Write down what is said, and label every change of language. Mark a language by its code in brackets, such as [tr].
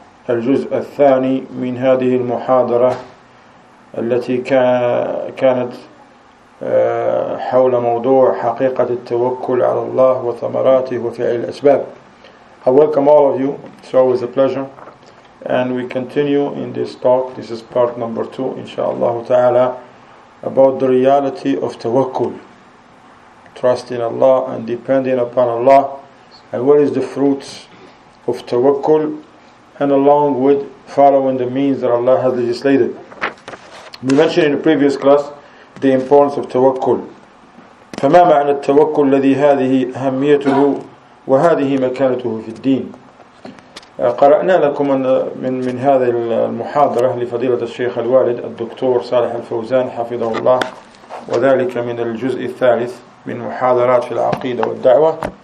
[ar] الجزء الثاني من هذه المحاضرة التي كانت حول موضوع حقيقة التوكل على الله وثمراته وفعل الأسباب. [en] I welcome all of you. It's always a pleasure. And we continue in this talk. This is part number two, inshallah ta'ala, about the reality of tawakkul, trusting Allah and depending upon Allah, and what is the fruits of tawakkul, and along with following the means that Allah has legislated. We mentioned in the previous class the importance of tawakkul. [ar] فما معنى التوكل الذي هذه أهميته وهذه مكانته في الدين؟ قرأنا لكم من هذه المحاضرة لفضيلة الشيخ الوالد الدكتور صالح الفوزان حفظه الله وذلك من الجزء الثالث من محاضرات في العقيدة والدعوة